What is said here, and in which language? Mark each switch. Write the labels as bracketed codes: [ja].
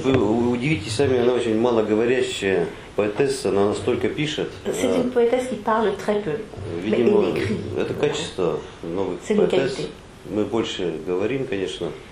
[ru] Вы удивитесь сами, она очень малоговорящая поэтесса, она настолько пишет. [fr] C'est une poétesse qui parle très peu, [ru] видимо, [fr] mais elle écrit. [ru] Это качество новых [fr] c'est [ru] поэтесс. Мы больше говорим, конечно.